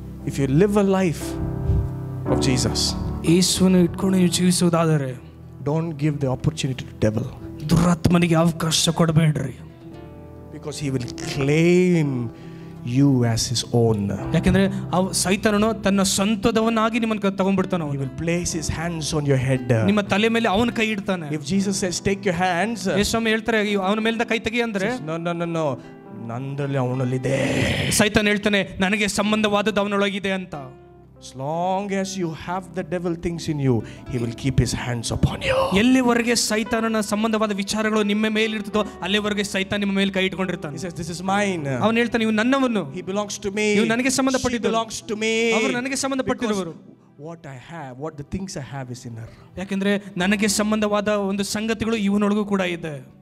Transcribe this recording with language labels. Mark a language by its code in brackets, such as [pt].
[en] if you live a life of Jesus, [kn] ಯೇಸುವನ್ನು ಇಟ್ಕೊಂಡು ನೀವು ಜೀವಿಸುವುದಾದರೆ, [en] Don't give the opportunity to devil. [kn] ದುರಾತ್ಮನಿಗೆ ಅವಕಾಶ ಕೊಡಬೇಡ್ರಿ. [en] Because he will claim you as his own. [kn] ಯಾಕಂದ್ರೆ ಅವ ಸೈತಾನನು ತನ್ನ ಸ್ವಂತದವನಾಗಿ ನಿಮ್ಮನ್ನ ತಗೊಂಡ್ಬಿಡ್ತಾನ. [en] He will place his hands on your head. [kn] ನಿಮ್ಮ ತಲೆ ಮೇಲೆ ಅವನ ಕೈ ಇಡ್ತಾನೆ. [en] If Jesus says take your hands, [kn] ಯೇಸುವ ಹೇಳ್ತಾರೆ ಅವನ ಮೇಲಿಂದ ಕೈ ತೆಗಿ ಅಂದ್ರೆ, ನನ್ನನ್ನು ನಂದರಲ್ಲಿ ಅವನಲ್ಲಿದೆ. ಸೈತಾನ ಹೇಳ್ತಾನೆ, ನನಗೆ ಸಂಬಂಧವಾದದ್ದು ಅವನೊಳಗಿದೆ ಅಂತ. [en] As long as you have the devil things in you, he will keep his hands upon you. [kn] ಎಲ್ಲಿವರೆಗೆ ಸೈತಾನನ ಸಂಬಂಧವಾದ ವಿಚಾರಗಳು ನಿಮ್ಮ ಮೇಲೆ ಇರ್ತದೋ ಅಲ್ಲಿವರೆಗೆ ಸೈತಾನ ನಿಮ್ಮ ಮೇಲೆ ಕೈ ಇಟ್ಕೊಂಡಿರ್ತಾನೆ. [en] He says, this is mine. [kn] ಅವನು ಹೇಳ್ತಾನೆ, ಇವನು ನನ್ನವನು. [en] He belongs to me. [kn] ಇವನು ನನಗೆ ಸಂಬಂಧಪಟ್ಟಿದ್ದು. [en] He belongs to me. [kn] ಅವನು ನನಗೆ ಸಂಬಂಧಪಟ್ಟಿದವರು. [en] What I have, what the things I have is in her. [kn] ಯಾಕಂದ್ರೆ ನನಗೆ ಸಂಬಂಧವಾದ ಒಂದು ಸಂಗತಿಗಳು ಇವನೊಳಗೂ ಕೂಡ ಇದೆ.